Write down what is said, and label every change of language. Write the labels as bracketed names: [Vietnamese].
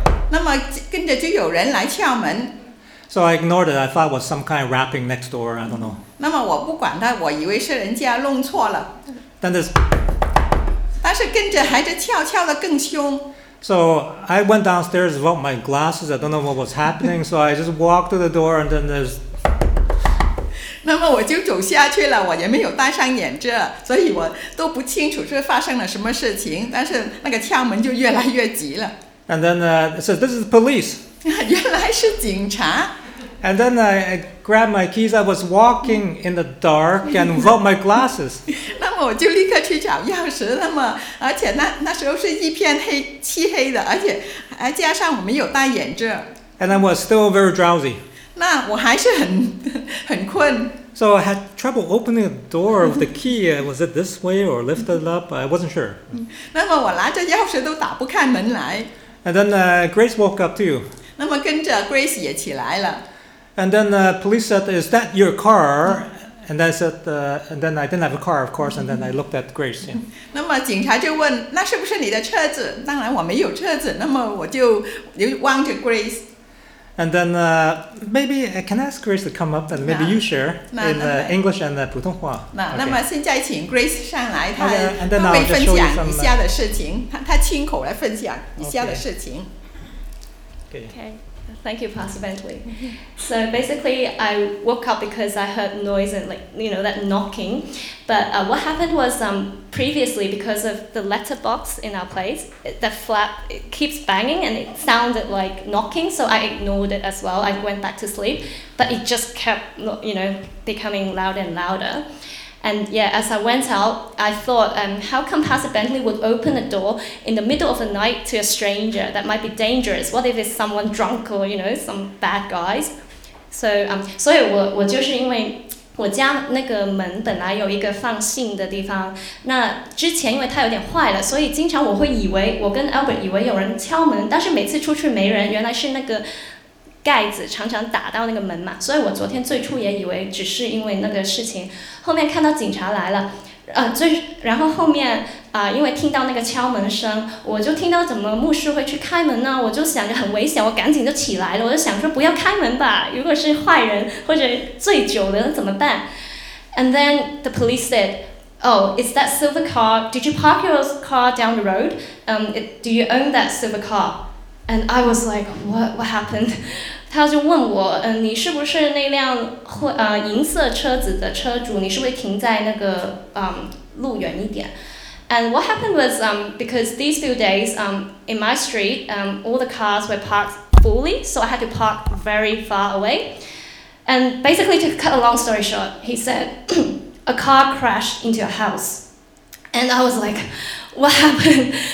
[Chinese] 那么跟着就有人来敲门。 [English] So I ignored it. I thought it was some kind of rapping next door. I don't know. [Chinese] 那么我不管它，我以为是人家弄错了。 [English] Then there's. [Chinese] 但是跟着还是悄悄的更凶。 [English] So I went downstairs without my glasses. I don't know what was happening. So I just walked to the door, and then there's. [Chinese] 那么我就走下去了，我也没有戴上眼镜，所以我都不清楚是发生了什么事情。但是那个敲门就越来越急了。 [English] And then so this is police. [Chinese] 原来是警察。 [English] And then I grabbed my keys. I was walking in the dark and without my glasses. [Chinese] 那么我就立刻去找钥匙。那么而且那时候是一片黑漆黑的，而且还加上我没有戴眼镜。 [English] And I was still very drowsy. [Chinese] 那我还是很困。 [English] So I had trouble opening the door with the key. Was it this way or lifted up? I wasn't sure. [Chinese] 那么我拿着钥匙都打不开门来。 [English] And then Grace woke up too. [Chinese] 那么跟着 Grace 也起来了。 [English] And then the police said, "Is that your car?" And I said, "And then I didn't have a car, of course." And then I looked at Grace. [Chinese] 那么警察就问，那是不是你的车子？当然我没有车子。那么我就望着 Grace. [English] And then maybe can I ask Grace to come up and maybe you share in English and 普通话。 [Chinese] 那么现在请 Grace 上来，她会分享一下的事情，她亲口来分享一下的事情。 [English] Okay. Thank you, Pastor Bentley. So basically, I woke up because I heard noise and, like, you know, that knocking. But what happened was previously, because of the letterbox in our place, the flap it keeps banging and it sounded like knocking. So I ignored it as well. I went back to sleep, but it just kept, you know, becoming louder and louder. And yeah, as I went out, I thought, how come Pastor Bentley would open a door in the middle of the night to a stranger? That might be dangerous. What if it's someone drunk or, you know, some bad guys? [Chinese] So, 所以我就是因为我家那个门本来有一个放信的地方，那之前因为它有点坏了，所以经常我会以为，我跟 Albert 以为有人敲门，但是每次出去没人，原来是那个盖子常常打到那个门嘛，所以我昨天最初也以为只是因为那个事情，后面看到警察来了，然后后面因为听到那个敲门声，我就听到怎么牧师会去开门呢，我就想着很危险，我赶紧就起来了，我就想说不要开门吧，如果是坏人或者醉酒的怎么办。 [English] And then the police said, Oh, is that silver car? Did you park your car down the road? Do you own that silver car? And I was like, what happened? [Chinese] 他就问我，你是不是那辆银色车子的车主？你是不是停在那个路远一点 ？ [English] And what happened was because these few days in my street all the cars were parked fully, so I had to park very far away. And basically, to cut a long story short, he said a car crashed into a house, and I was like, what happened?